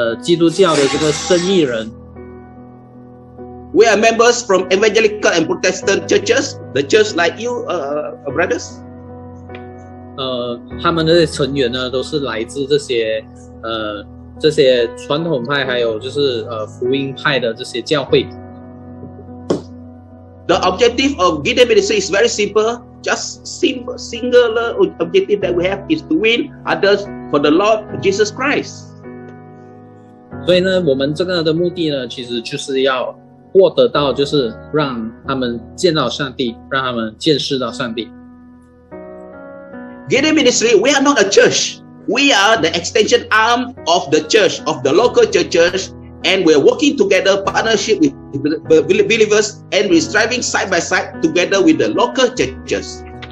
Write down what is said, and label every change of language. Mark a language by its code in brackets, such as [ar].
[zh] 其实基甸这个事工呢，是来自于一些基督教的这个生意人。 [en] We are members from evangelical and protestant churches, the church like you, brothers. [zh] 他们的成员呢，都是来自这些传统派，还有就是福音派的这些教会。 [en] The objective of Gideon Ministry is very simple. Just simple, singular objective that we have is to win others for the Lord Jesus Christ. [zh] 所以呢，我们这个的目的呢，其实就是要获得到，就是让他们见到上帝，让他们见识到上帝。Gideon [en] Ministry, we are not a church. We are the extension arm of the church, of the local churches, and we're working together, partnership with believers, and we're striving side by side together with the local churches.